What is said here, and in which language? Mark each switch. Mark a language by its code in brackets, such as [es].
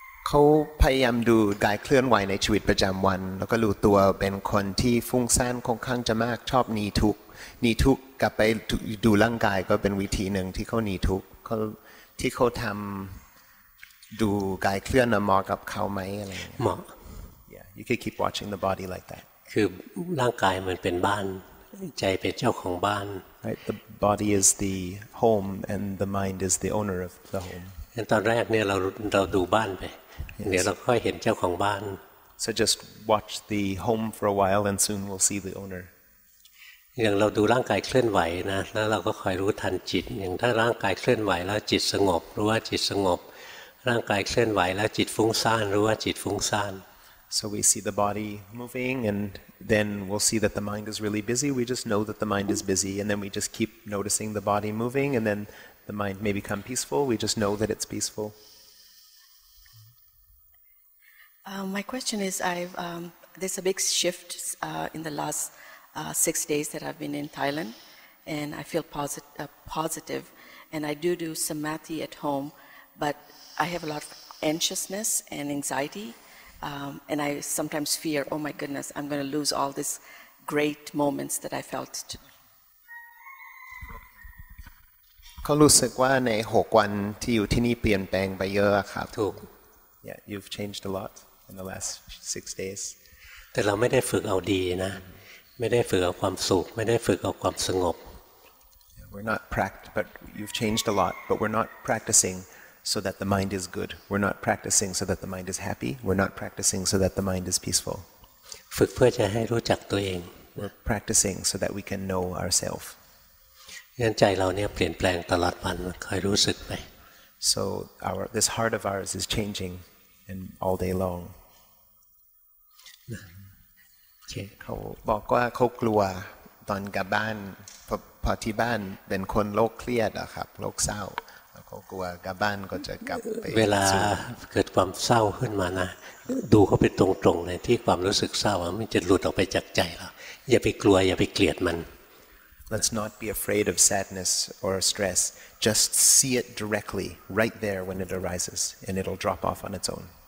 [th] เขาพยายามดูกายเคลื่อนไหวในชีวิตประจำวันแล้วก็รู้ตัวเป็นคนที่ฟุ้งซ่านค่อนข้างจะมากชอบหนีทุกข์หนีทุกข์กลับไปดูร่างกายก็เป็นวิธีหนึ่งที่เขาหนีทุกข์เขาที่เขาทำดูกายเคลื่อนเหมาะกับเขาไหมอะไร เหมาะ [en] Yeah you could keep watching the body like that [th] คือร่างกายมันเป็นบ้าน ใจเป็นเจ้าของบ้าน [en] right the body is the home and the mind is the owner of the home [th] ตอนแรกเนี่ยเราดูบ้านไป yes. เดี๋ยวเราค่อยเห็นเจ้าของบ้าน [en] so just watch the home for a while and soon we'll see the owner [th] อย่างเราดูร่างกายเคลื่อนไหวนะแล้วเราก็คอยรู้ทันจิตอย่างถ้าร่างกายเคลื่อนไหวแล้วจิตสงบรู้ว่าจิตสงบร่างกายเคลื่อนไหวแล้วจิตฟุ้งซ่านรู้ว่าจิตฟุ้งซ่าน [en] so we see the body moving and then we'll see that the mind is really busy we just know that the mind is busy and then we just keep noticing the body moving and then the mind may become peaceful we just know that it's peaceful My question is there's a big shift in the last 6 days that I've been in Thailand and I feel positive and I do samadhi at home but I have a lot of anxiousness and anxietyand I sometimes fear, oh my goodness, I'm going to lose all these great moments that I felt. [th] ก็รู้สึกว่าใน6วันที่อยู่ที่นี่เปลี่ยนแปลงไปเยอะครับ ถูก [en] Yeah, you've changed a lot in the last 6 days. [th] แต่เราไม่ได้ฝึกเอาดีนะไม่ได้ฝึกเอาความสุขไม่ได้ฝึกเอาความสงบ [en] We're not practicing, but you've changed a lot, but we're not practicing. So that the mind is good. We're not practicing so that the mind is happy. We're not practicing so that the mind is peaceful. [th] ฝึกเพื่อจะให้รู้จักตัวเอง [en] We're practicing so that we can know ourselves. [th] งั้นใจเราเนี่ยเปลี่ยนแปลงตลอดวันคอยรู้สึกไป [en] So this heart of ours is changing and all day long. [th] เขาบอกว่าเขากลัวตอนกลับบ้านพอที่บ้านเป็นคนโรคเครียดอะครับโรคเศร้าเขากลัวกลับบ้านก็จะกลับไป เวลาเกิดความเศร้าขึ้นมานะดูเขาไปตรงๆเลยที่ความรู้สึกเศร้ามันจะหลุดออกไปจากใจเราอย่าไปกลัวอย่าไปเกลียดมัน [en] Let's not be afraid of sadness or stress just see it directly right there when it arises and it'll drop off on its own